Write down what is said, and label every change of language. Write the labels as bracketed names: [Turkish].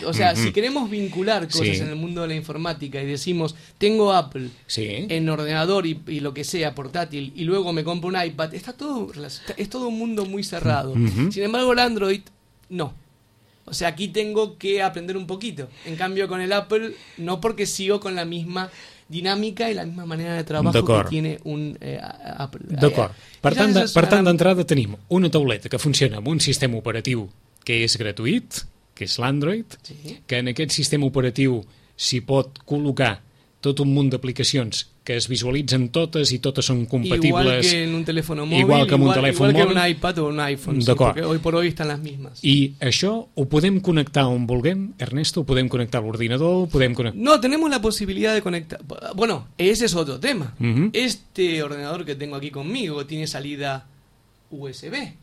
[Spanish] O sea, si queremos vincular cosas en el mundo de la informática y decimos, tengo Apple en ordenador y lo que sea, portátil, y luego me compro un iPad, es todo un mundo muy cerrado. Sin embargo, el Android, no. O sea, aquí tengo que aprender un poquito. En cambio, con el Apple, no, porque sigo con la misma dinàmica i la misma manera de trabajo que tiene un Apple. [Catalan] D'acord. Per tant, d'entrada tenim una tauleta que funciona amb un sistema operatiu que és gratuït, que és l'Android, que en aquest sistema operatiu s'hi pot col·locar tot un munt d'aplicacions que es visualitzen totes i totes són compatibles. Igual que en un telèfon mòbil, igual que un iPad o un iPhone. D'acord. [Spanish] Sí, hoy por hoy están las mismas. [Catalan] I això ho podem connectar on vulguem, Ernesto? Ho podem connectar a l'ordinador? [Spanish] No, tenemos la posibilidad de conectar. Bueno, ese es otro tema. Este ordenador que tengo aquí conmigo tiene salida USB.